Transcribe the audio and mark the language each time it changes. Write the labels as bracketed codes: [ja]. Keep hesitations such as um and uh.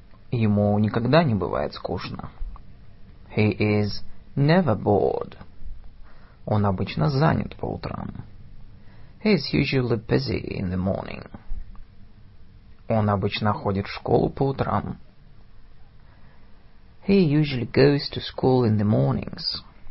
[ru] Ему никогда не бывает скучно. [en] He is never bored. [ru] Он обычно занят по утрам. [en] He is usually busy in the morning. [ru] Он обычно ходит в школу по утрам. [en] He usually goes to school in the mornings.